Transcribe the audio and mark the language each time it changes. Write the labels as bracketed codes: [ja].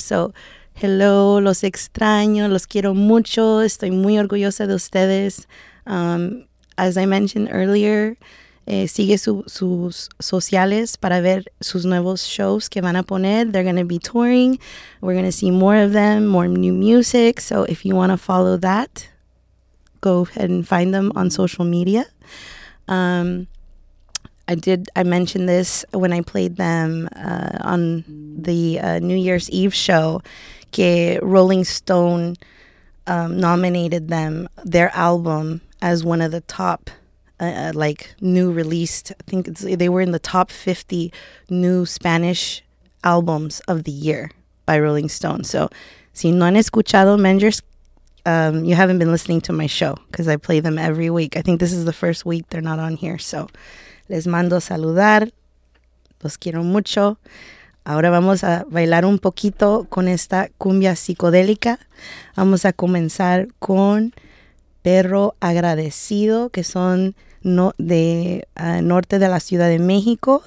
[es] So, hello, los extraño, los quiero mucho. Estoy muy orgullosa de ustedes. [en] As I mentioned earlier, [es] Sigue sus sociales para ver sus nuevos shows que van a poner. [en] They're going to be touring. We're going to see more of them, more new music. So if you want to follow that, go ahead and find them on social media. I mentioned this when I played them on the New Year's Eve show, que Rolling Stone nominated them, their album, as one of the top new released, I think they were in the top 50 new Spanish albums of the year by Rolling Stone. So, [es] si no han escuchado [en] Menders, you haven't been listening to my show because I play them every week. I think this is the first week they're not on here. [es] So, les mando saludar. Los quiero mucho. Ahora vamos a bailar un poquito con esta cumbia psicodélica. Vamos a comenzar con Perro Agradecido, que son Norte de la Ciudad de México.